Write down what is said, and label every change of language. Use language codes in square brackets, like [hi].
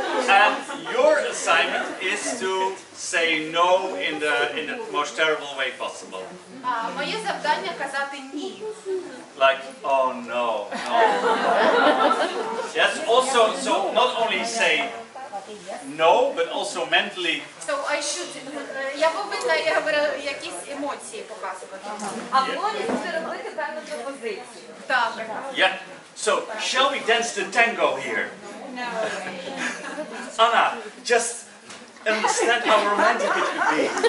[en] And your assignment is to say no in the most terrible way possible. [uk] Моє завдання казати ні. [en] Like, oh no, no. Yes, also, so not only say no, but also mentally. So I should, [uk] я повинна якісь емоції показувати. А Флорі це робити певну пропозицію. Так. [en] Yeah, so shall we dance the tango here? No. Anna, just understand how romantic it could be.